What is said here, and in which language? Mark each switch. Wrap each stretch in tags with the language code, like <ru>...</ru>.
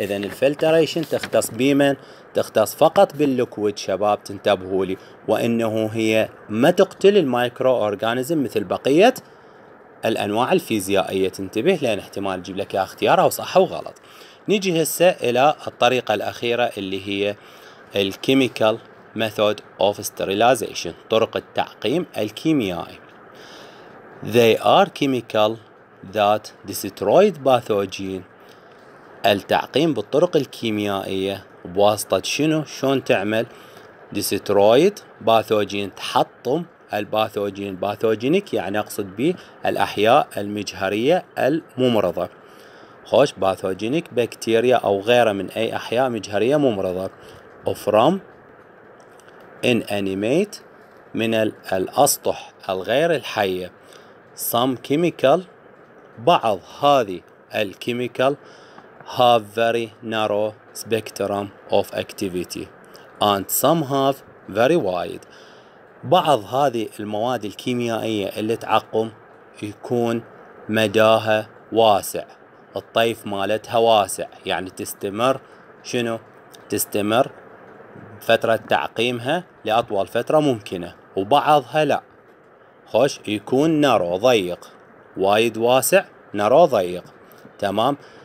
<ar>اذا الفلتريشن تختص بمن؟ تختص فقط باللوكويد شباب، تنتبهوا لي، وانه هي ما تقتل المايكرو اورجانيزم مثل بقية الانواع الفيزيائية، تنتبه لان احتمال تجيب لك يا اختيار او صح او غلط. نيجي هسه الى الطريقة الاخيرة اللي هي الكيميكال</ar> <en>method of sterilization،</en> <ar>طرق التعقيم الكيميائي.</ar> <en>They are chemical that destroyed pathogen.</en> <ar>التعقيم بالطرق الكيميائية بواسطة شنو؟ شون تعمل؟</ar> <en>destroyed pathogen،</en> <ar>تحطم الباثوجين، باثوجينك يعني اقصد به الاحياء المجهرية الممرضة. خوش باثوجينك بكتيريا او غيرها من اي احياء مجهرية ممرضة.</ar> <en>from inanimate</en> <ar>من الاسطح الغير الحية.</ar> <en>some chemical</en> <ar>بعض هذه الكيميكال</ar> <en>have very narrow spectrum of activity and some have very wide.</en> <ar>بعض هذه المواد الكيميائية اللي تعقم يكون مداها واسع، الطيف مالتها واسع، يعني تستمر شنو؟ تستمر فترة تعقيمها لأطول فترة ممكنة، وبعضها لا، خوش يكون نارو ضيق، وايد واسع نارو ضيق، تمام.</ar>